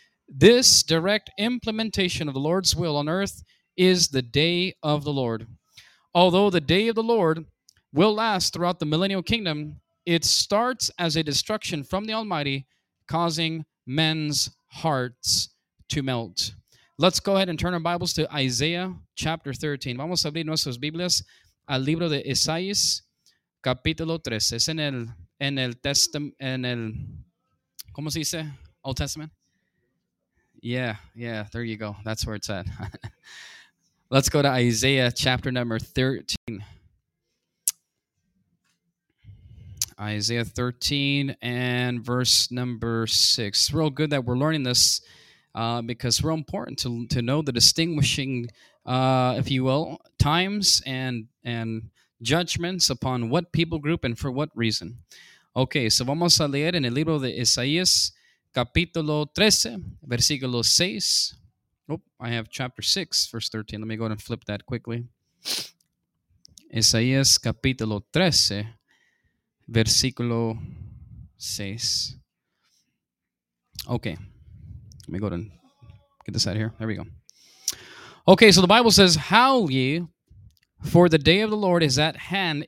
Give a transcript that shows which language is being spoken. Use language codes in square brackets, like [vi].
[en] This direct implementation of the Lord's will on earth is the day of the Lord. Although the day of the Lord will last throughout the millennial kingdom, it starts as a destruction from the Almighty, causing men's hearts to melt. Let's go ahead and turn our Bibles to Isaiah chapter 13. [es] Vamos a abrir nuestras Biblias al libro de Isaías, capítulo 13. Es en el ¿cómo se dice? Old Testament? [en] Yeah, there you go. That's where it's at. Let's go to Isaiah chapter number 13. Isaiah 13 and verse number 6. It's real good that we're learning this because it's real important to know the distinguishing, if you will, times and judgments upon what people group and for what reason. [es] Okay, so vamos a leer en el libro de Isaías, capítulo 13, versículo 6. [en] Oh, I have chapter 6, verse 13. Let me go ahead and flip that quickly. [es] Isaías, capítulo 13, versículo 6. [en] Okay. Let me go ahead and get this out of here. There we go. Okay, so the Bible says, howl ye, for the day of the Lord is at hand.